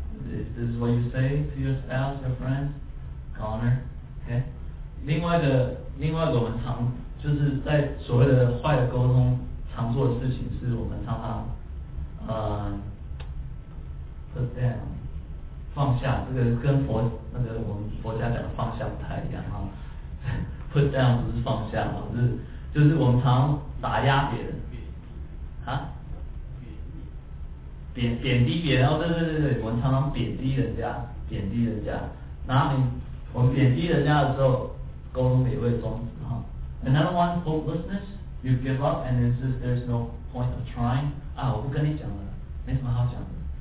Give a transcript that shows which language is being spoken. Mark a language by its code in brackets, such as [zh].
[en] This is what you say to your spouse, your friends, goner. Okay. [zh] 另外一个我们常就是在所谓的坏的沟通常做的事情是我们常常， [en] put down [zh] 放下，这个跟佛那个我们佛家讲的放下不太一样啊。 [en] Put down [zh] 不是放下嘛，就是我们常打压别人，啊？贬低别人，哦，对，我们常常贬低人家，哪里？我们贬低人家的时候，沟通也会终止哈。 [en] Another one, hopelessness. You give up and insist there's no point of trying. [zh] 啊，我不跟你讲了，没什么好讲的。